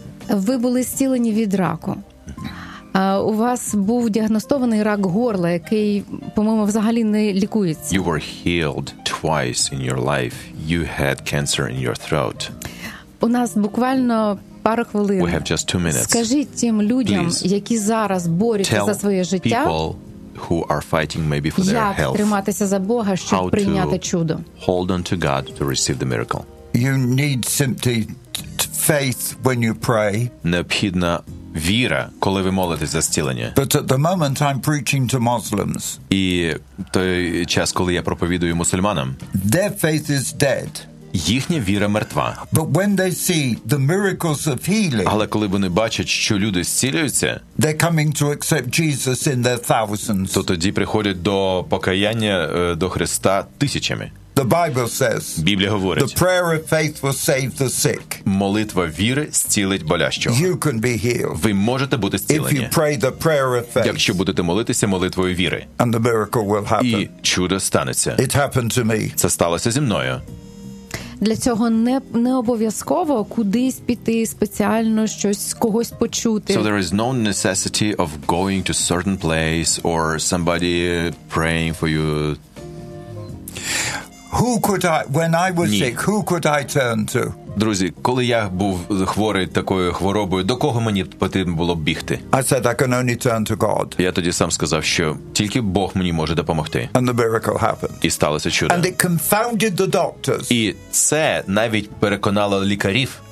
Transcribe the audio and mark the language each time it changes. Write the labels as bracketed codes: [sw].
[uk] Ви були зцілені від раку. У вас був діагностований рак горла, який, по-моєму, взагалі не лікується. [en] You were healed twice in your life. You had cancer in your throat. [uk] У нас буквально... пару хвилин. [en] We have just 2 minutes. [uk] Скажіть тим людям, [en] please, [uk] які зараз борються за своє життя, [en] people who are fighting maybe for their health, [uk] як триматися за Бога, щоб прийняти чудо. [en] Hold on to God to receive the miracle. You need simply faith when you pray. [uk] Необхідна віра, коли ви молитесь за зцілення. [en] But at the moment I'm preaching to Muslims. [uk] І той час, коли я проповідую мусульманам. [en] Their faith is dead. [uk] Їхня віра мертва. [en] But when they see the miracles of healing, [uk] але коли вони бачать, що люди зцілюються, [en] they're coming to accept Jesus in their thousands. [uk] То тоді приходять до покаяння до Христа тисячами. [en] The Bible says, [uk] Біблія говорить, [en] the prayer of faith will save the sick. [uk] Молитва віри зцілить болящого. [en] You can be healed. [uk] Ви можете бути зцілені. [en] If you pray the prayer of faith, [uk] якщо будете молитися молитвою віри. [en] And the miracle will happen. [uk] І чудо станеться. [en] It happened to me. [uk] Це сталося зі мною. Для цього не обов'язково кудись піти спеціально щось когось почути. [en] So there is no necessity of going to certain place or somebody praying for you. Who could I, when I was sick, who could I turn to? [uk] Друзі, коли я був хворий такою хворобою, до кого мені потрібно було б бігти? [en] I said, I can only turn to God. [uk] Я тоді сам сказав, що тільки Бог мені може допомогти. [en] And the miracle happened. [uk] І сталося чудо. [en] And it confounded the doctors. [uk] І це навіть переконало лікарів.